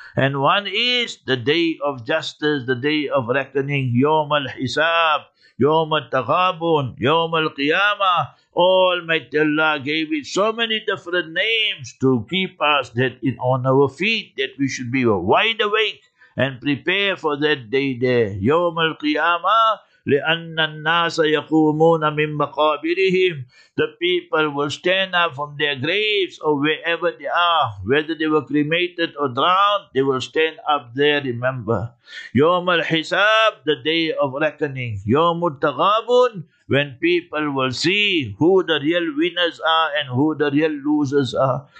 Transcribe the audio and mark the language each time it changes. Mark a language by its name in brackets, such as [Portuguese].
[English] And one is the day of justice, the day of reckoning, Yawm al-Hisab. Yawm al-Taghabun, Yawm al-Qiyamah, Almighty Allah gave it so many different names to keep us that in on our feet, that we should be wide awake and prepare for that day there. [Arabic] Yawm al-Qiyamah, لِأَنَّ النَّاسَ يَقُومُونَ مِنْ مَقَابِرِهِمْ. [English] The people will stand up from their graves or wherever they are, whether they were cremated or drowned, they will stand up there, remember. [Arabic] يَوْمَ الْحِسَابِ, [English] the day of reckoning. [Arabic] يَوْمُ التَّغَابُونَ, [English] when people will see who the real winners are and who the real losers are.